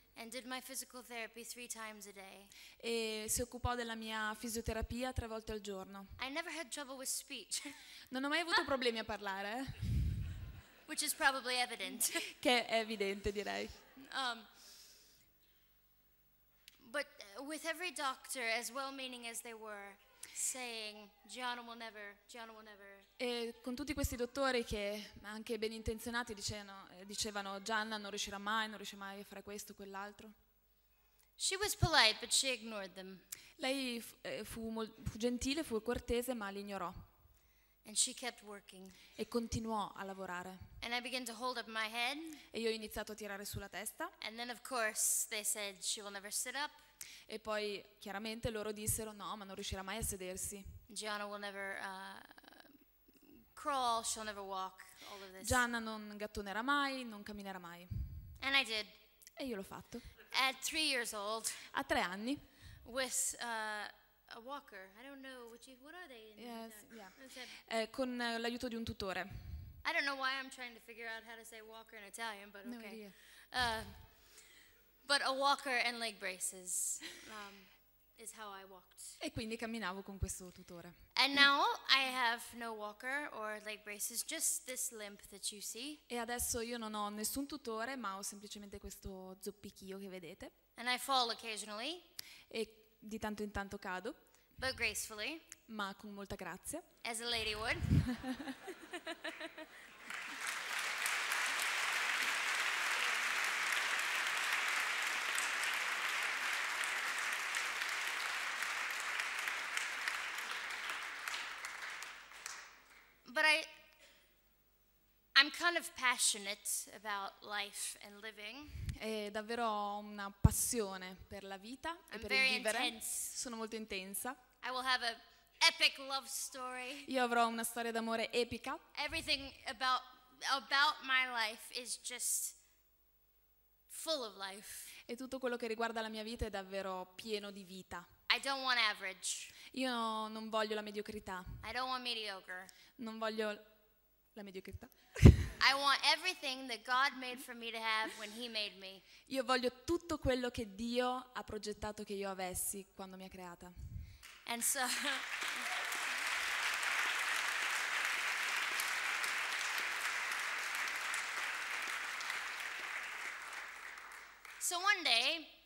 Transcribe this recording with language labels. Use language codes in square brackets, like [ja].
[en] and did my physical therapy 3 times a day, [it] e si occupò della mia fisioterapia 3 volte al giorno. [en] I never had trouble with speech. [it] Non ho mai avuto problemi a parlare, [en] which is probably evident. [it] Che è evidente, direi. [en] But with every doctor, as well-meaning as they were, saying, Gianna will never, Gianna will never. [it] E con tutti questi dottori che, anche ben intenzionati, dicevano, Gianna non riuscirà mai, non riuscirà mai a fare questo, quell'altro. [en] She was polite, but she ignored them. [it] Lei fu gentile, fu cortese, ma li ignorò. [en] And she kept working. [it] E continuò a lavorare. [en] And I began to hold up my head. [it] E io ho iniziato a tirare sulla testa. [en] And then of course they said she will never sit up. [it] E poi chiaramente loro dissero no, ma non riuscirà mai a sedersi. [en] Gianna will never crawl, she'll never walk, all of this. [it] Gianna non gattonerà mai, non camminerà mai. [en] And I did. [it] E io l'ho fatto. [en] At 3 years old. [it] A 3 anni. [en] With a walker, I don't know what are they in. Yes, yeah. [it] Con l'aiuto di un tutore. [en] I don't know why I'm trying to figure out how to say walker in Italian, but okay. No idea. But a walker and leg braces is how I walked. [it] E quindi camminavo con questo tutore. [en] And now I have no walker or leg braces, just this limp that you see. [it] E adesso io non ho nessun tutore, ma ho semplicemente questo zoppichio che vedete. [en] And I fall occasionally. [it] E di tanto in tanto cado, [en] but gracefully, [it] ma con molta grazia, [en] as a lady would. But I'm kind of passionate about life and living. [it] È davvero una passione per la vita e [en] I'm [it] per il vivere. [en] Intense. [it] Sono molto intensa. [en] I will have a epic love story. [it] Io avrò una storia d'amore epica. [en] Everything about my life is just full of life. [it] E tutto quello che riguarda la mia vita è davvero pieno di vita. [en] I don't want average. [it] Io non voglio la mediocrità. [en] I don't want mediocre. [it] Non voglio la mediocrità. [en] I want everything that God made for me to have when He made me. [it] Io voglio tutto quello che Dio ha progettato che io avessi quando mi ha creata. [en] And so So one day